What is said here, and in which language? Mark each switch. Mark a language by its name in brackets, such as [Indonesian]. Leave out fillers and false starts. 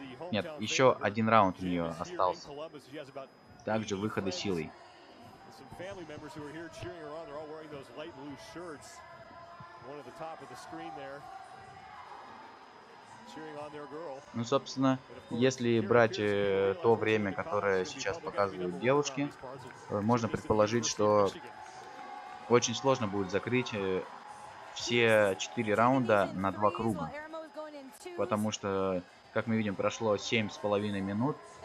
[Russian] Нет, еще один раунд у нее остался. Также выходы силой. [English] Family members who are here cheering her on—they're all wearing those light blue shirts. One at the top of the screen there, cheering on their girl. [Russian] Ну, собственно, если брать то время, которое сейчас показывают девушки, можно предположить, что очень сложно будет закрыть все 4 раунда на 2 круга, потому что, как мы видим, прошло 7,5 минут.